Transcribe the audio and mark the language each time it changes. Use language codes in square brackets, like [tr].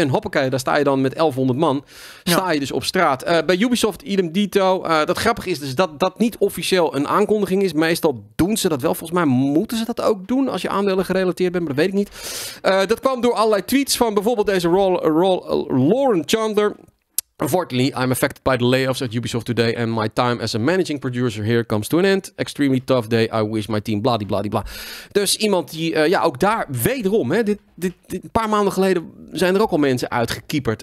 [nl] En hoppakee, daar sta je dan met 1100 man, sta je dus op straat. Bij Ubisoft, idem dito, dat grappige is dus dat niet officieel een aankondiging is. Meestal doen ze dat wel, volgens mij moeten ze dat ook doen als je aandelen gerelateerd bent, maar dat weet ik niet. Dat kwam door allerlei tweets van bijvoorbeeld deze Lauren Chandler. [en] Unfortunately, I'm affected by the layoffs at Ubisoft today and my time as a managing producer here comes to an end. Extremely tough day. I wish my team bladibladibla. [nl] Dus iemand die, ook daar wederom, hè, dit een paar maanden geleden zijn er ook al mensen uitgekieperd.